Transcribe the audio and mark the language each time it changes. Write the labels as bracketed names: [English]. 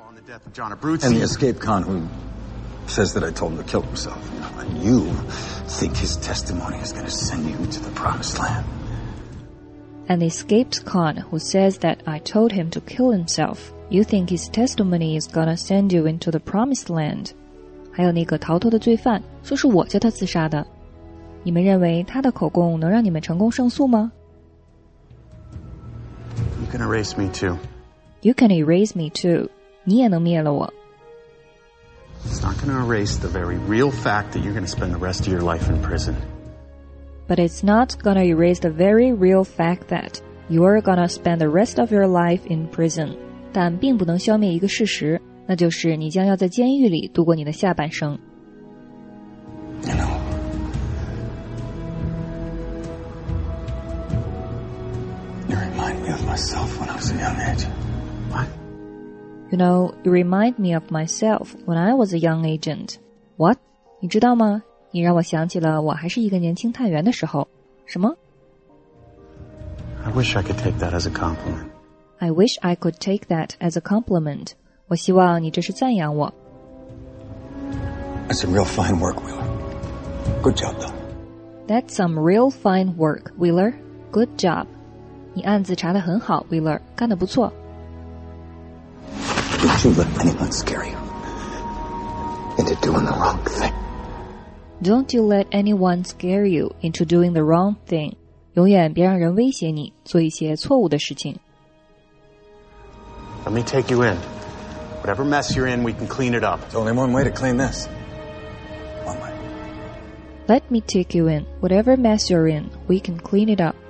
[English] And the escape con who says that I told him to kill himself. And you think his testimony is going to send you to the promised land. And the escaped con who says that I told him to kill himself. You think his testimony is going to send you into the promised land. [Chinese] 还有那个逃脱的罪犯说是我叫他自杀的。你们认为他的口供能让你们成功胜诉吗？ [English] You can erase me too. You can erase me too. [Chinese] 你也能灭了我。 [English] It's not going to erase the very real fact that you're going to spend the rest of your life in prison. But it's not going to erase the very real fact that you're going to spend the rest of your life in prison. [Chinese] 但并不能消灭一个事实，那就是你将要在监狱里度过你的下半生。 [English] You know. Myself when I was a young agent. What? You know, you remind me of myself when I was a young agent. What? [Chinese] 你知道吗？你让我想起了我还是一个年轻探员的时候。什么 [English] ？I wish I could take that as a compliment. I wish I could take that as a compliment. [Chinese] 我希望你这是赞扬我。 [English] That's some real fine work, Wheeler. Good job, though. That's some real fine work, Wheeler. Good job. [Chinese] 你案子查得很好 ，Wheeler， 干得不错。 [English] Don't you let anyone scare you into doing the wrong thing. Don't you let anyone scare you into doing the wrong thing. [Chinese] 永远别让人威胁你做一些错误的事情。 [English] Let me take you in. Whatever mess you're in, we can clean it up. There's only one way to clean this. One way. Let me take you in. Whatever mess you're in, we can clean it up.